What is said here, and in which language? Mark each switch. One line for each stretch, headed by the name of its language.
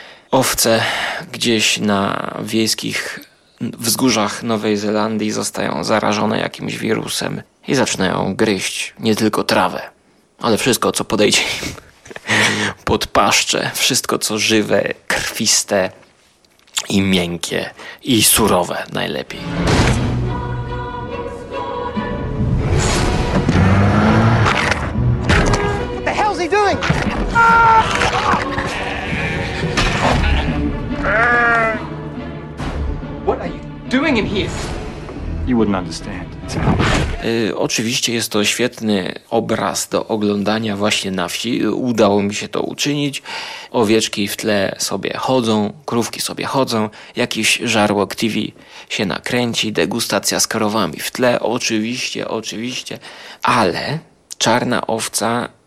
Polish: Owce gdzieś na wiejskich wzgórzach Nowej Zelandii zostają zarażone jakimś wirusem i zaczynają gryźć nie tylko trawę, ale wszystko, co podejdzie im pod paszczę. Wszystko, co żywe, krwiste i miękkie i surowe najlepiej.
English: What the hell is he doing? What are you doing in here? You wouldn't understand.
Polish: Oczywiście jest to świetny obraz do oglądania właśnie na wsi. Udało mi się to uczynić. Owieczki w tle sobie chodzą, krówki sobie chodzą. Jakiś żarłok TV się nakręci, degustacja z korowami w tle. Oczywiście, oczywiście. Ale Czarna Owca